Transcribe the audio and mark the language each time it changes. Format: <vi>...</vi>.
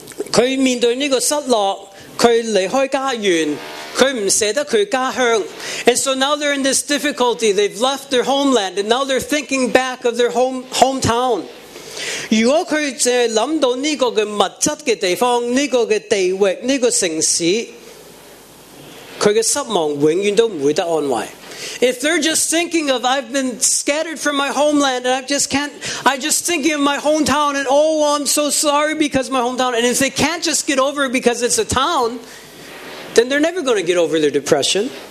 <zh>他面对这个失落，他离开家园，他不舍得他家乡。</zh> <en>And so now they're in this difficulty. They've left their homeland, and now they're thinking back of their hometown.</en> <zh>如果他只是想到这个的物质的地方，这个的地域，这个城市，他的失望永远都不会得安慰。</zh> <en>If they're just thinking of, I've been scattered from my homeland and I'm just thinking of my hometown and oh, I'm so sorry because my hometown. And if they can't just get over it because it's a town, then they're never going to get over their depression.</en>